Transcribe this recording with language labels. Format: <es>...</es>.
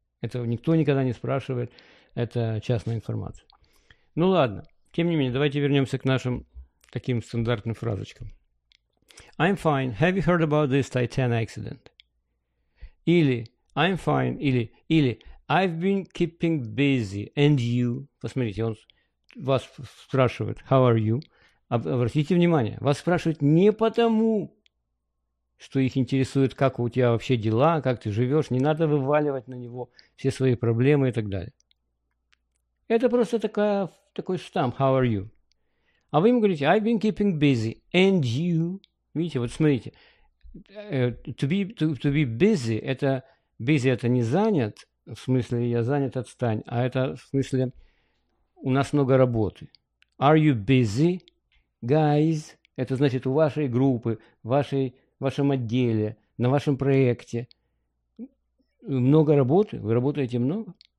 <ru>Это никто никогда не спрашивает. Это частная информация. Ну ладно. Тем не менее, давайте вернемся к нашим таким стандартным фразочкам.</ru> <en>«I'm fine. Have you heard about this Titan accident?»</en> <ru>Или</ru> <en>«I'm fine».</en> <ru>Или</ru> <en>I've been keeping busy, and you?</en> <ru>Посмотрите, он вас спрашивает,</ru> <en>how are you?</en> <ru>Обратите внимание, вас спрашивают не потому, что их интересует, как у тебя вообще дела, как ты живешь, не надо вываливать на него все свои проблемы и так далее. Это просто такой штамп,</ru> <en>how are you?</en> <ru>А вы ему говорите,</ru> <en>I've been keeping busy, and you?</en> <ru>Видите, вот смотрите,</ru> <en>to be busy,</en> <ru>это busy – это не занят, в смысле «я занят, отстань», а это в смысле «у нас много работы».</ru> <en>Are you busy, guys?</en> <ru>Это значит, у вашей группы, в вашем отделе, на вашем проекте много работы? Вы работаете много?</ru>